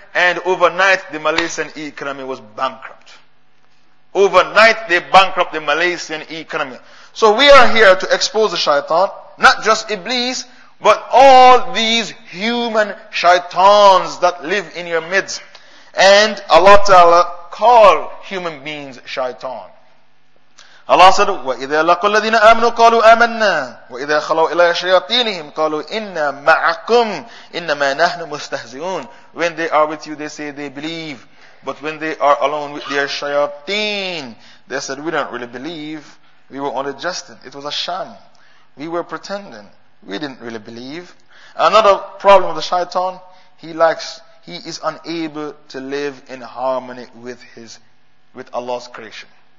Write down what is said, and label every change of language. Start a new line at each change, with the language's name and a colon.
English: And overnight, the Malaysian economy was bankrupt. Overnight, they bankrupt the Malaysian economy. So we are here to expose the shaitan, not just Iblis, but all these human shaitans that live in your midst. And Allah Ta'ala call human beings shaitan. Allah said,
Arabic: وَإِذَا لَقُوا الَّذِينَ آمَنُوا قَالُوا آمَنَّا وَإِذَا خَلَوْا إِلَىٰ شَيَاطِينِهِمْ قَالُوا إِنَّا مَعَكُمْ إِنَّمَا نَحْنُ مُسْتَهْزِئُونَ.
English: When they are with you, they say they believe. But when they are alone with their shayateen, they said, we don't really believe. We were only jesting. It was a sham. We were pretending. We didn't really believe. Another problem of the shaitan, he is unable to live in harmony with Allah's creation.